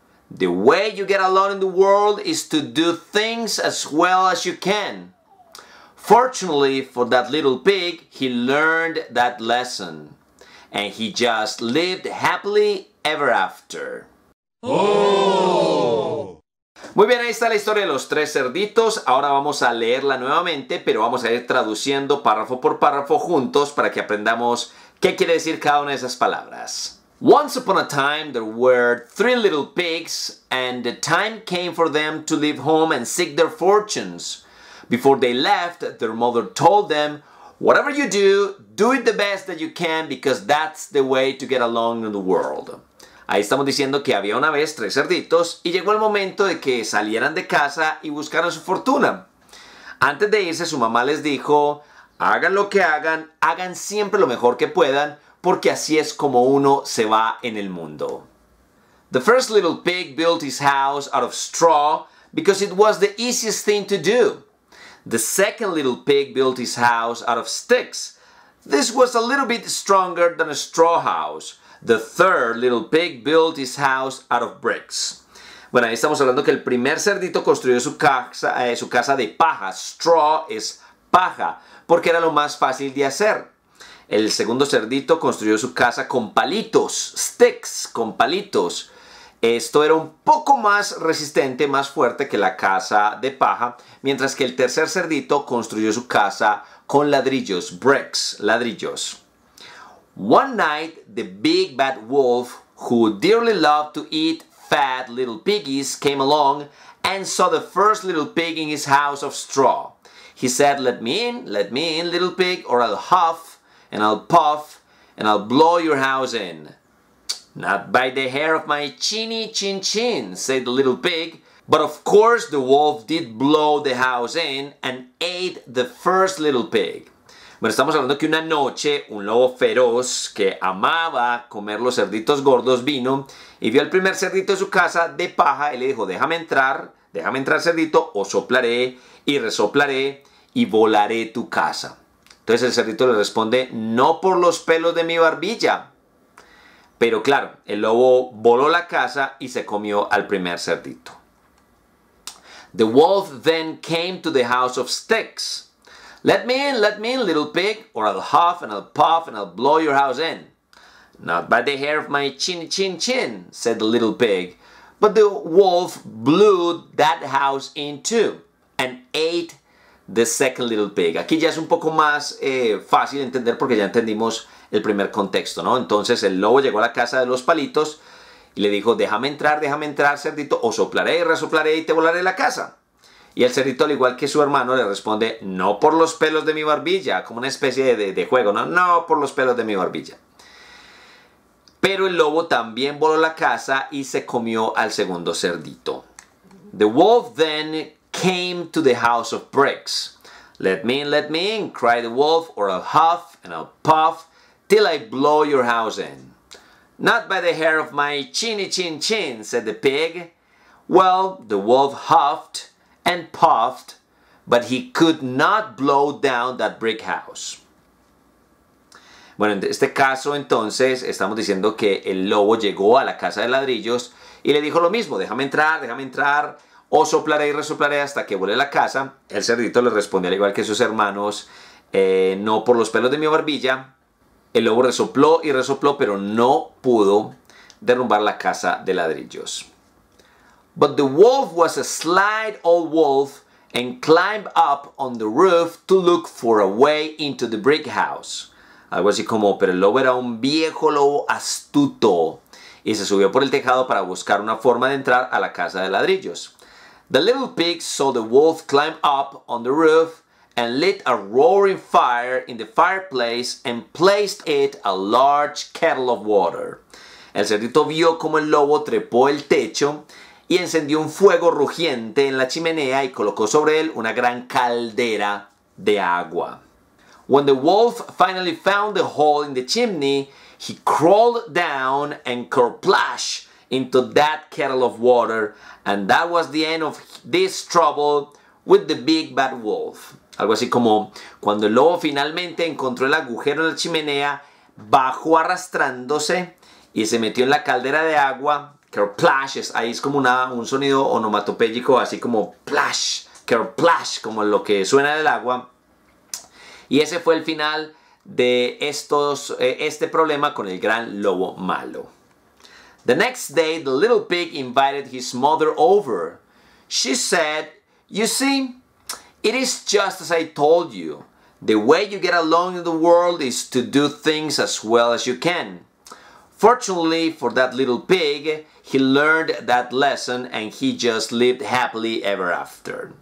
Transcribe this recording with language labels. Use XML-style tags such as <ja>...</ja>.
<en>The way you get along in the world is to do things as well as you can." Fortunately for that little pig, he learned that lesson, and he just lived happily ever after. Oh.</en> <es>Muy bien, ahí está la historia de los tres cerditos. Ahora vamos a leerla nuevamente, pero vamos a ir traduciendo párrafo por párrafo juntos para que aprendamos qué quiere decir cada una de esas palabras.</es> <en>Once upon a time, there were three little pigs, and the time came for them to leave home and seek their fortunes. Before they left, their mother told them, "Whatever you do, do it the best that you can, because that's the way to get along in the world."</en> <es>Ahí estamos diciendo que había una vez tres cerditos y llegó el momento de que salieran de casa y buscaran su fortuna. Antes de irse, su mamá les dijo, "Hagan lo que hagan, hagan siempre lo mejor que puedan, porque así es como uno se va en el mundo."</es> <en>The first little pig built his house out of straw because it was the easiest thing to do. The second little pig built his house out of sticks. This was a little bit stronger than a straw house. The third little pig built his house out of bricks.</en> <es>Bueno, ahí estamos hablando que el primer cerdito construyó su casa de paja. Straw es paja, porque era lo más fácil de hacer. El segundo cerdito construyó su casa con palitos, sticks, con palitos. Esto era un poco más resistente, más fuerte que la casa de paja, mientras que el tercer cerdito construyó su casa con ladrillos, bricks, ladrillos.</es> <en>One night, the big bad wolf, who dearly loved to eat fat little piggies, came along and saw the first little pig in his house of straw. He said, let me in, little pig, or I'll huff and I'll puff and I'll blow your house in. Not by the hair of my chinny chin chin, said the little pig. But of course the wolf did blow the house in and ate the first little pig.</en> <es>Bueno, estamos hablando que una noche un lobo feroz que amaba comer los cerditos gordos vino y vio al primer cerdito de su casa de paja y le dijo, déjame entrar cerdito o soplaré y resoplaré y volaré tu casa. Entonces el cerdito le responde, no por los pelos de mi barbilla. Pero claro, el lobo voló la casa y se comió al primer cerdito.</es> <en>The wolf then came to the house of sticks. Let me in, little pig, or I'll huff and I'll puff and I'll blow your house in. Not by the hair of my chin, chin, chin, said the little pig. But the wolf blew that house in too and ate the second little pig.</en> <es>Aquí ya es un poco más fácil de entender porque ya entendimos el primer contexto, ¿no? Entonces el lobo llegó a la casa de los palitos y le dijo, déjame entrar, cerdito, o soplaré, resoplaré y te volaré la casa. Y el cerdito, al igual que su hermano, le responde, no por los pelos de mi barbilla, como una especie de juego, ¿no? No por los pelos de mi barbilla. Pero el lobo también voló la casa y se comió al segundo cerdito.</es> <en>The wolf then came to the house of bricks. Let me in, cried the wolf, or I'll huff and I'll puff till I blow your house in. Not by the hair of my chinny chin chin, said the pig. Well, the wolf huffed and puffed, but he could not blow down that brick house.</en> <es>Bueno, en este caso entonces estamos diciendo que el lobo llegó a la casa de ladrillos y le dijo lo mismo, déjame entrar, o soplaré y resoplaré hasta que vuele la casa. El cerdito le respondió al igual que sus hermanos, no por los pelos de mi barbilla. El lobo resopló y resopló, pero no pudo derrumbar la casa de ladrillos.</es> <en>But the wolf was a sly old wolf and climbed up on the roof to look for a way into the brick house.</en> <es>Algo así como, pero el lobo era un viejo lobo astuto y se subió por el tejado para buscar una forma de entrar a la casa de ladrillos.</es> <en>The little pig saw the wolf climb up on the roof and lit a roaring fire in the fireplace and placed it a large kettle of water.</en> <es>El cerdito vio como el lobo trepó el techo y encendió un fuego rugiente en la chimenea y colocó sobre él una gran caldera de agua.</es> <en>When the wolf finally found the hole in the chimney, he crawled down and kerplash into that kettle of water, and that was the end of this trouble with the big bad wolf.</en> <es>Algo así como, cuando el lobo finalmente encontró el agujero en la chimenea, bajó arrastrándose y se metió en la caldera de agua, kerplash, ahí es como un sonido onomatopéyico, así como plash, kerplash, como lo que suena del agua. Y ese fue el final de este problema con el gran lobo malo.</es> <en>The next day, the little pig invited his mother over. She said, you see, it is just as I told you. The way you get along in the world is to do things as well as you can. Fortunately for that little pig, he learned that lesson and he just lived happily ever after.</en>